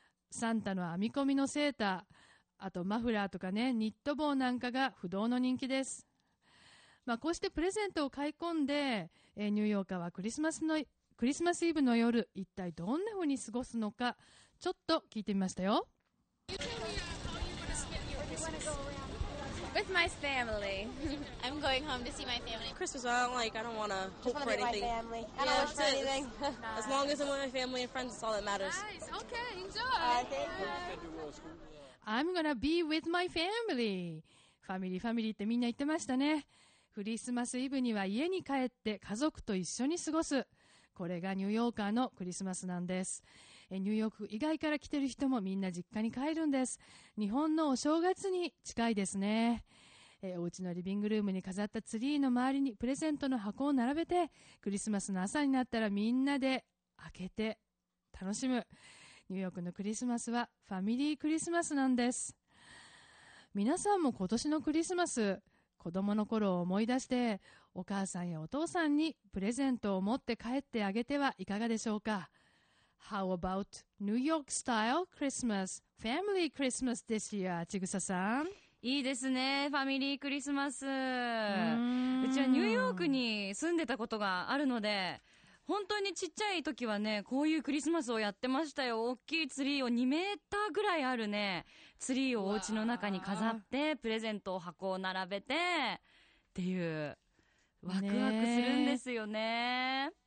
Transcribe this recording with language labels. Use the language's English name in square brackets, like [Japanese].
[Japanese] サンタの編み込みのセーター、あとマフラーとかねニット帽なんかが不動の人気です。まあ、こうしてプレゼントを買い込んで、ニューヨーカーはクリスマスイブの夜一体どんな風に過ごすのかちょっと聞いてみましたよ。 [English] With my family. I'm going home to see my family. Christmas, I don't like, I don't want to hope for anything. Just want to be with my family. I don't want to anything. As long as I'm with my family and friends, that's all that matters. Nice, okay, enjoy. Okay. I'm gonna be with my family. Family, family [Japanese] ってみんな言ってましたね。クリスマスイブには家に帰って家族と一緒に過ごす。これがニューヨーカーのクリスマスなんです。ニューヨーク以外から来てる人もみんな実家に帰るんです。日本のお正月に近いですね。お家のリビングルームに飾ったツリーの周りにプレゼントの箱を並べてクリスマスの朝になったらみんなで開けて楽しむ。ニューヨークのクリスマスはファミリークリスマスなんです。皆さんも今年のクリスマス子供の頃を思い出してお母さんやお父さんにプレゼントを持って帰ってあげてはいかがでしょうか。 [English] How about New York style Christmas, family Christmas this year? [Japanese] ちぐささん、いいですね、ファミリークリスマス。うちはニューヨークに住んでたことがあるので本当にちっちゃい時はねこういうクリスマスをやってましたよ。大きいツリーを2メーターぐらいあるねツリーをお家の中に飾ってプレゼントを箱を並べてっていう、ワクワクするんですよね。